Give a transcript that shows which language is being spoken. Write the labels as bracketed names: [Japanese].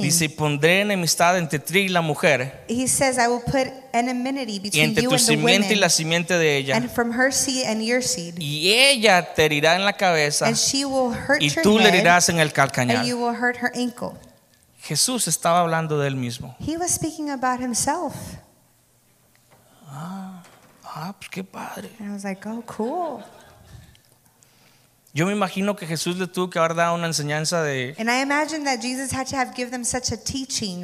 [Spanish] Dice, pondré enemistad entre ti y la mujer. [English] He says, I will put enemity between you and the woman. [Spanish] Y entre tu simiente y la simiente de ella. [English] And from her seed and your seed. [Spanish] Y ella te herirá en la cabeza. [English] And she will hurt [Spanish] y tú le herirás en el calcañar. [English] And you will hurt her ankle. [Spanish] Jesús estaba hablando de él mismo. [English] He was speaking about himself. [Spanish] Pues qué padre. [English] And I was like, oh, cool. [Spanish] Yo me imagino que Jesús le tuvo que haber dado una enseñanza de [English] And I imagine that Jesus had to have given them such a teaching.